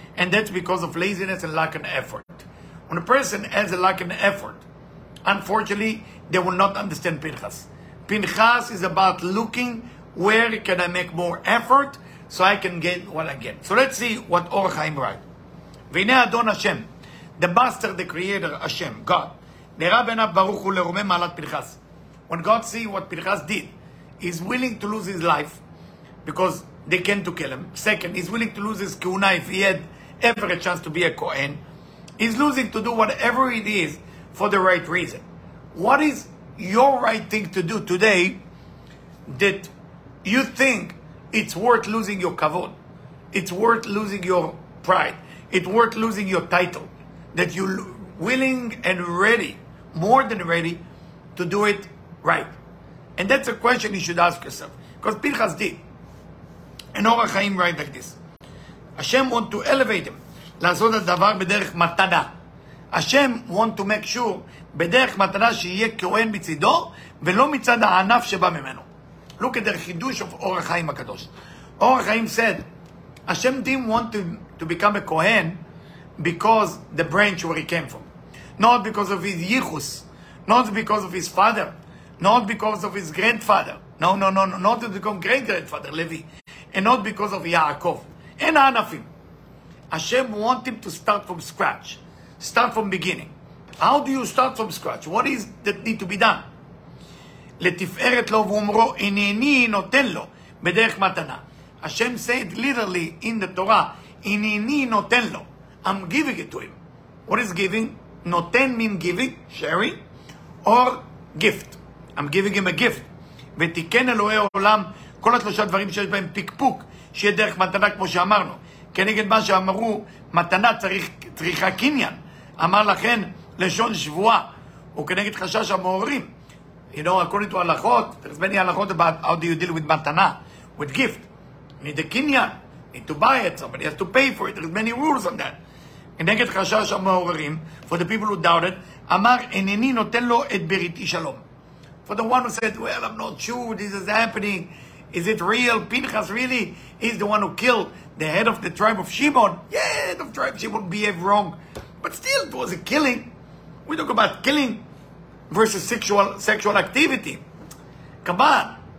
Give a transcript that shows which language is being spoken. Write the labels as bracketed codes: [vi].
[en] And that's because of laziness and lack of effort. When a person has a lack of effort, unfortunately, they will not understand Pinchas. Pinchas is about looking, where can I make more effort so I can get what I get. So let's see what Or HaChaim writes. [he] והנה אדון השם, [en] the master, the creator, [he] השם, God, נראה בעיניו ברוך הוא לרומם מעלת פנחס. [en] When God sees what Pinchas did, he's willing to lose his life because they came to kill him. Second, he's willing to lose his kuna if he had ever a chance to be a Kohen. He's losing to do whatever it is for the right reason. What is your right thing to do today that you think it's worth losing your kavod? It's worth losing your pride. It's worth losing your title. That you're willing and ready, more than ready, to do it right. And that's a question you should ask yourself. Because Pinchas did. And Or HaChaim write like this. Hashem want to elevate him. [he] לעשות הדבר בדרך מתנה. [en] Hashem want to make sure [he] בדרך מתנה שיהיה כהן מצידו ולא מצד הענף שבא ממנו. [en] Look at the חידוש of Or HaChaim הקדוש. Or HaChaim said, Hashem didn't want to become a Kohen because the branch where he came from. Not because of his yichus. Not because of his father. Not because of his grandfather. No. Not to become great-grandfather, Levi. And not because of Yaakov. And Anafim. Hashem wants him to start from scratch. Start from beginning. How do you start from scratch? What is that need to be done? [he] לתפארת לו ואומרו, הנני נותן לו בדרך מתנה. [en] Hashem said literally in the Torah, [he] הנני נותן לו. [en] I'm giving it to him. What is giving? Noten mean giving, sharing, or gift. I'm giving him a gift. [he] ותיקן אלוהי העולם, כל השלושה דברים שיש בהם פיקפוק, שיהיה דרך מתנה כמו שאמרנו. כנגד מה שאמרו, מתנה צריכה קניין. אמר לכן, לשון שבועה. וכנגד חשש המעוררים. [en] You know, according to הלכות, there's many הלכות about how do you deal with מתנה, with gift. Need a קניין, need to buy it, somebody has to pay for it. There's many rules on that. [he] כנגד חשש המעוררים, [en] for the people who doubted, [he] אמר, אינני נותן לו את בריתי שלום. [en] For the one who said, well, I'm not sure this is happening. Is it real? Pinchas really is the one who killed the head of the tribe of Shimon. Yeah, the tribe of Shimon behaved wrong. But still, it was a killing. We talk about killing versus sexual activity. Come on.